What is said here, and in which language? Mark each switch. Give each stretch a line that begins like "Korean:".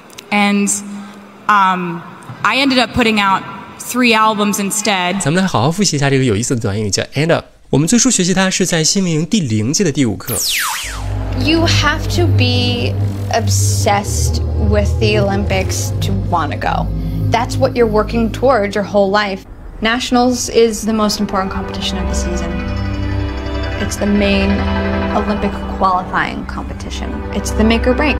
English: And I ended up putting out three albums instead.
Chinese: 咱们来好好复习一下这个有意思的短语叫 end up。我们最初学习它是在新英第零季的第五课。
English: You have to be obsessed with the Olympics to want to go. That's what you're working towards your whole life. Nationals is the most important competition of the season. It's the main Olympic qualifying competition. It's the make or break.